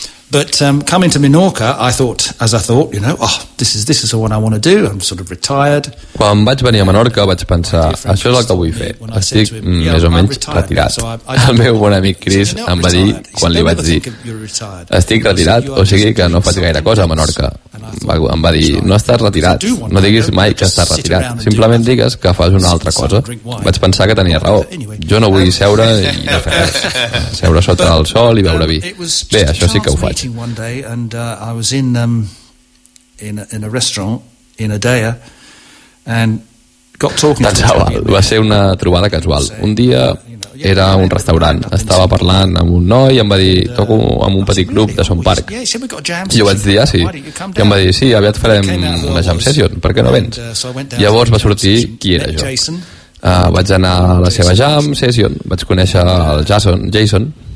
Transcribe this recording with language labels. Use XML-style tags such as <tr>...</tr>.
<en>But coming to Menorca, I thought, you know, oh, this is what I want to do. I'm sort of retired.</en> <ca>Quan vaig venir a Menorca, vaig pensar, això és el que vull fer. Estic més o menys retirat. El meu bon amic Chris em va dir, quan li vaig dir, estic retirat, o sigui que no faig gaire cosa a Menorca. Em va dir, no estàs retirat, no diguis mai que estàs retirat, simplement digues que fas una altra cosa. Vaig pensar que tenia raó. Jo no vull seure i no fer res. Seure sota el sol i beure vi. Bé, això sí que ho faig.</ca> <en>One day, and I was in a restaurant in Adea, and got talking.</en> <ca>Va ser una trobada casual. Un dia era un restaurant. Estava parlant amb un noi i em va dir, toco amb un petit club de Son Park. I jo vaig dir, ah, sí. I em va dir, sí, aviat farem una jam session, per què no vens? Llavors va sortir qui era jo. Vaig anar a la seva jam session, vaig conèixer el Jason.</ca>